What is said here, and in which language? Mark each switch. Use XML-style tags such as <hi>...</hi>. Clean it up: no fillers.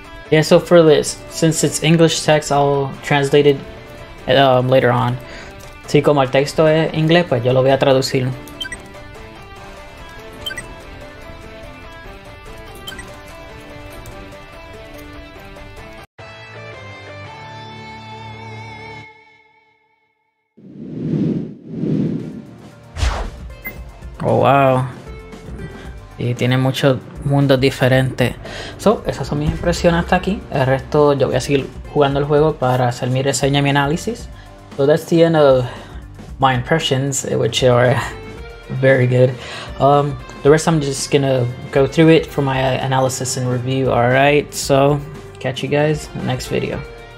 <en>Yeah, so for this, since it's English text, I'll translate it later on.</en> <es>Sí, como el texto es inglés, pues yo lo voy a traducir. Y tiene muchos mundos diferentes. So, esas son mis impresiones hasta aquí. El resto, yo voy a seguir jugando el juego para hacer mi reseña y mi análisis.</es> <en>So, that's the end of my impressions, which are very good. The rest, I'm just gonna go through it for my analysis and review. Alright, so, catch you guys in the next video.</en>